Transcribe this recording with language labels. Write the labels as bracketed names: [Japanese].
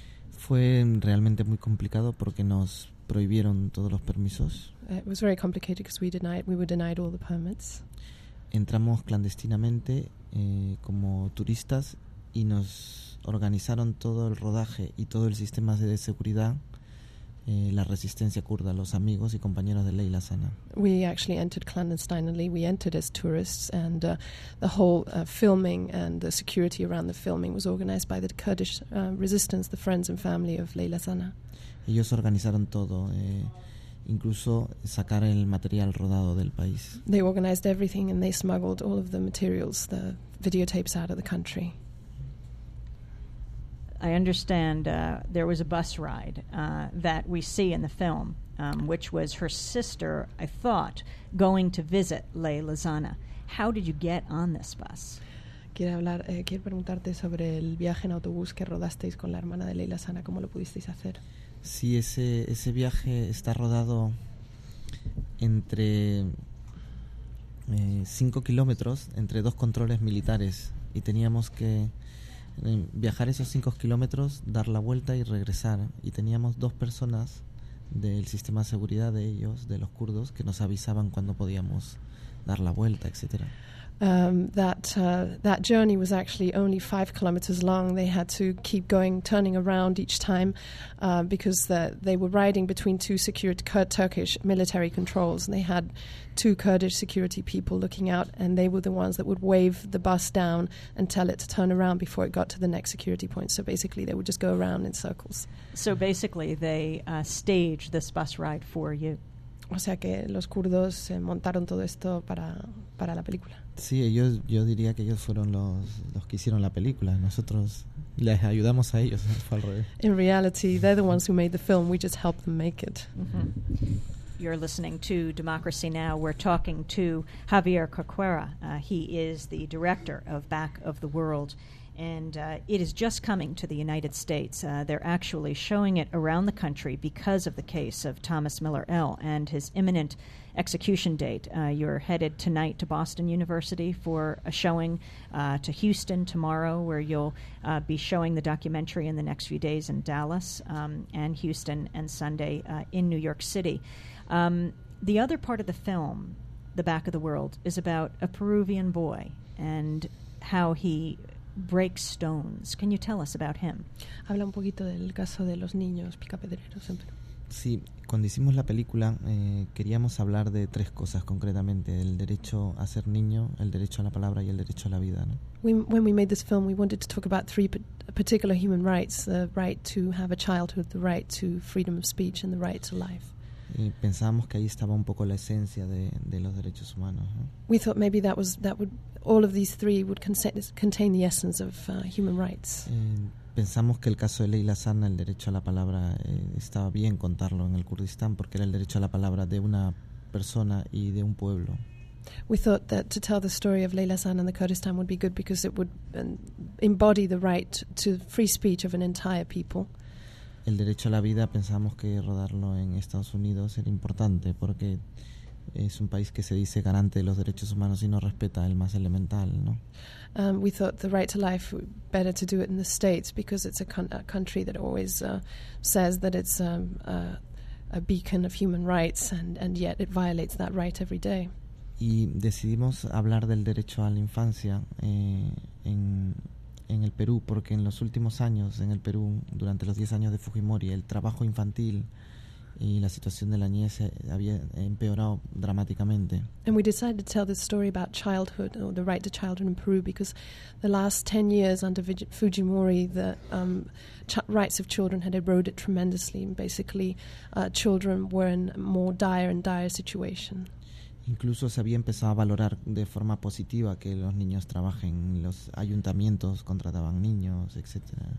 [Spanish] Fue realmente muy complicado porque nos prohibieron todos los permisos. [English] It was very complicated because we were denied all the permits. [Spanish] Entramos clandestinamente como turistas y nos organizaron todo el rodaje y todo el sistema de seguridad, la resistencia kurda, los amigos y compañeros de Leyla Zana. [English] We actually entered clandestinely. We entered as tourists, and the whole filming and the security around the filming was organized by the Kurdish resistance, the friends and family of Leyla Zana. [Spanish] Ellos organizaron todo, incluso sacar el material rodado del país. [English] They organized everything and they smuggled all of the materials, the videotapes, out of the country. I understand there was a bus ride that we see in the film, which was her sister, I thought, going to visit Leyla Zana. How did you get on this bus? [Spanish] Quiero preguntarte sobre el viaje en autobús que rodasteis con la hermana de Leyla Zana. ¿Cómo lo pudisteis hacer? Sí, ese viaje está rodado entre 5 kilómetros, entre dos controles militares, y teníamos que viajar esos 5 kilómetros, dar la vuelta y regresar. Y teníamos dos personas del sistema de seguridad de ellos, de los kurdos, que nos avisaban cuando podíamos dar la vuelta, etcétera. [English] That journey was actually only 5 kilometers long. They had to keep going, turning around each time, because they were riding between two security Turkish military controls, and they had two Kurdish security people looking out, and they were the ones that would wave the bus down and tell it to turn around before it got to the next security point. So basically, they would just go around in circles. So basically, they staged this bus ride for you. [Spanish] O sea que los kurdos montaron todo esto para la película. Sí, yo diría que ellos fueron los que hicieron la película. Nosotros les ayudamos a ellos. Fue al revés. [English] In reality, they're the ones who made the film. We just helped them make it. Mm-hmm. You're listening to Democracy Now. We're talking to Javier Corcuera. He is the director of Back of the World. And it is just coming to the United States. They're actually showing it around the country because of the case of Thomas Miller L. and his imminent execution date. You're headed tonight to Boston University for a showing, to Houston tomorrow, where you'll be showing the documentary in the next few days in Dallas and Houston, and Sunday in New York City. The other part of the film, The Back of the World, is about a Peruvian boy and how he break stones. Can you tell us about him? [Spanish] Habla un poquito del caso de los niños picapedreros en Perú. Sí, cuando hicimos la película queríamos hablar de tres cosas concretamente: el derecho a ser niño, el derecho a la palabra y el derecho a la vida, ¿no? [English] When we made this film, we wanted to talk about three particular human rights: the right to have a childhood, the right to freedom of speech, and the right to life. [Spanish] Y pensábamos que ahí estaba un poco la esencia de los derechos humanos, ¿no? [English] We thought maybe all of these three would contain the essence of human rights. [Spanish] Pensamos que el caso de Leyla Zana, el derecho a la palabra, estaba bien contarlo en el Kurdistán, porque era el derecho a la palabra de una persona y de un pueblo. [English] We thought that to tell the story of Leyla Zana in the Kurdistan would be good because it would embody the right to free speech of an entire people. [Spanish] El derecho a la vida, pensamos que rodarlo en Estados Unidos era importante porque es un país que se dice garante de los derechos humanos y no respeta el más elemental, ¿no? [English] We thought the right to life better to do it in the States because it's a country that always says that it's a beacon of human rights, and yet it violates that right every day. [Spanish] Y decidimos hablar del derecho a la infancia en el Perú, porque en los últimos años en el Perú, durante los 10 años de Fujimori, el trabajo infantil y la situación de la niñez había empeorado dramáticamente. [English] And we decided to tell this story about childhood, or the right to childhood in Peru, because the last 10 years under Fujimori, the rights of children had eroded tremendously, and basically children were in more dire and dire situation. [Spanish] Incluso se había empezado a valorar de forma positiva que los niños trabajen, los ayuntamientos contrataban niños, etcétera.